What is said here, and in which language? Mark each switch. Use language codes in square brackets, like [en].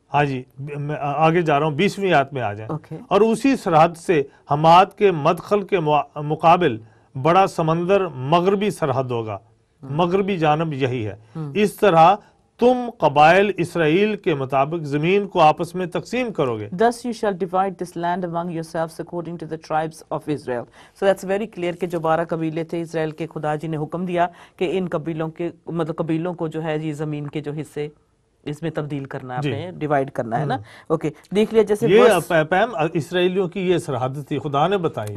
[ur] ہاں جی میں آگے جا رہا ہوں، 20ویں آیت میں آ جائیں۔ اور اسی سرحد سے حماد کے مدخل کے مقابل بڑا سمندر مغربی سرحد ہوگا، مغربی جانب یہی ہے۔ اس طرح تم قبائل اسرائیل کے مطابق زمین کو آپس میں تقسیم کرو گے۔ [en] Thus you shall divide this land among yourselves according to the tribes of Israel. So that's very clear [ur] کہ جو 12 قبیلے تھے اسرائیل کے، خدا جی نے حکم دیا کہ ان قبیلوں کے، مطلب قبیلوں کو جو ہے یہ زمین کے جو حصے اس میں تبدیل کرنا ہے، ڈیوائیڈ کرنا ہے نا۔ اوکے دیکھ لیا، جیسے یہ پیم اسرائیلیوں کی یہ سرحد تھی، خدا نے بتائی۔